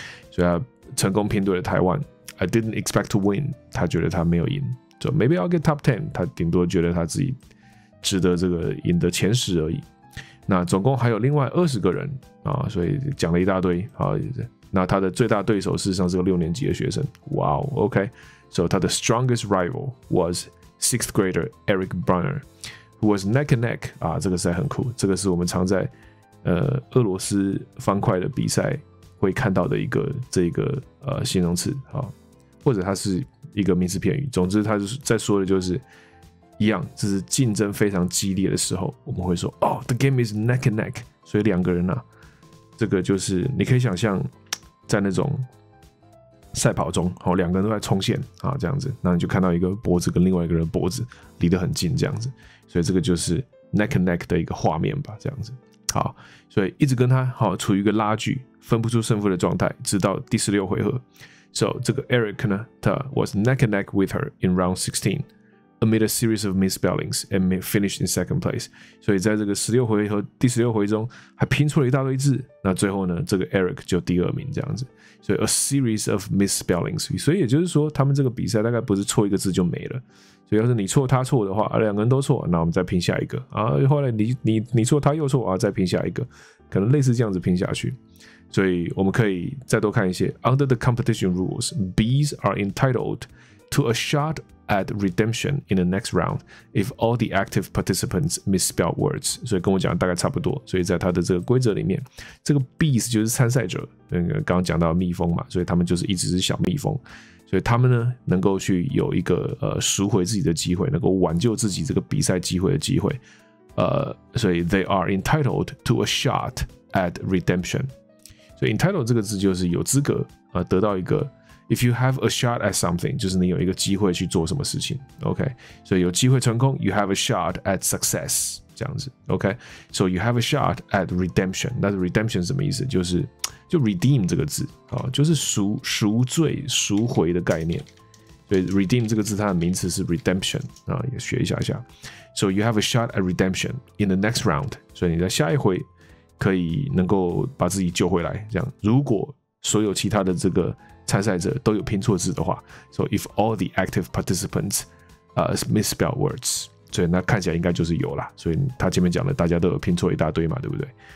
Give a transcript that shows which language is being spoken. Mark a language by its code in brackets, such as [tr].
[zh] 所以他成功拼对了台湾。 [en] I didn't expect to win. [zh] 他觉得他没有赢。 [en] So maybe I'll get top 10. [zh] 他顶多觉得他自己值得这个赢得前十而已。那总共还有另外20个人啊，所以讲了一大堆啊。那他的最大对手事实上是个六年级的学生。 [en] Wow. Okay. So [zh] 他的 [en] strongest rival was sixth grader Eric Brunner, who was neck and neck. [zh] 啊，这个实在很酷。这个是我们常在俄罗斯方块的比赛会看到的一个这个形容词啊，或者它是一个名词片语。总之，它在说的就是一样，这是竞争非常激烈的时候，我们会说哦 ， [en] the game is neck and neck。 [zh] 所以两个人啊，这个就是你可以想象在那种赛跑中，哦，两个人都在冲线啊，这样子，那你就看到一个脖子跟另外一个人的脖子离得很近，这样子，所以这个就是 neck and neck 的一个画面吧，这样子。好，所以一直跟他好处于一个拉锯分不出胜负的状态，直到第16回合。 [en] So [zh] 这个 [en] Eric [zh] 呢，他 [en] was neck and neck with her in round 16 amid a series of misspellings and finished in second place。 [zh] 所以在这个16回合第16回中还拼出了一大堆字，那最后呢这个 Eric 就第二名这样子。所以 [en] a series of misspellings， [zh] 所以也就是说他们这个比赛大概不是错一个字就没了，所以要是你错他错的话，两个人都错，那我们再拼下一个啊。后来你错他又错啊，再拼下一个，可能类似这样子拼下去。所以我们可以再多看一些。 [en] Under the competition rules, bees are entitled to a shot at redemption in the next round if all the active participants misspell words。 [zh] 所以跟我讲大概差不多。所以在他的这个规则里面，这个 bees 就是参赛者，那个刚刚讲到蜜蜂嘛，所以他们就是一直是小蜜蜂。所以他们呢能够去有一个赎回自己的机会，能够挽救自己这个比赛机会的机会，所以 [en] they are entitled to a shot at redemption。 [zh] 所以 entitled 这个字就是有资格得到一个， [en] if you have a shot at something [zh] 就是你有一个机会去做什么事情。 OK， 所以有机会成功， [en] you have a shot at success， [zh] 这这样子。 [en] OK, so you have a shot at redemption. [zh] 那 redemption 什么意思？就是就 redeem 这个字，哦，就是赎罪、赎回的概念。所以 redeem 这个字它的名词是 redemption 啊，也学一下一下。 [en] So you have a shot at redemption in the next round. [zh] 所以你在下一回可以能够把自己救回来，这样。如果所有其他的这个参赛者都有拼错字的话 ， [en] so if all the active participants, misspell words, [zh] 所以那看起来应该就是有啦。所以他前面讲的，大家都有拼错一大堆嘛，对不对？